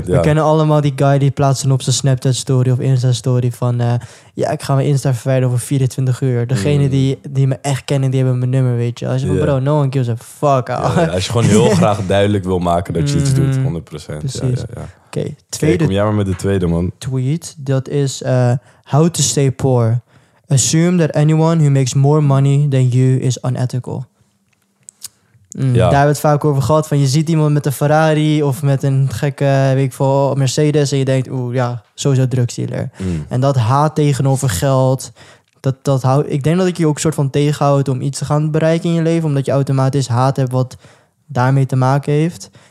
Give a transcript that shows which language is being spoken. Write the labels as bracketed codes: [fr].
[nl] We kennen allemaal die guy die plaatst op zijn Snapchat-story of Insta-story van ja, ik ga mijn Insta verwijderen over 24 uur. Degene die me echt kennen, die hebben mijn nummer, weet je. Als je van, bro, [en] no one gives a fuck out. [nl] Ja, ja, als je gewoon heel graag duidelijk wil maken dat je iets doet, 100%. Precies. Ja, ja, ja. Oké, tweede. Kijk, kom jij maar met de tweede, man. Tweet, dat is [en] how to stay poor. Assume that anyone who makes more money than you is unethical. [nl] Ja. Daar hebben we het vaak over gehad. Van je ziet iemand met een Ferrari of met een gekke, weet ik veel, Mercedes. En je denkt, oeh, ja, sowieso drugsdealer. En dat haat tegenover geld, ik denk dat ik je ook soort van tegenhoud om iets te gaan bereiken in je leven. Omdat je automatisch haat hebt wat daarmee te maken heeft.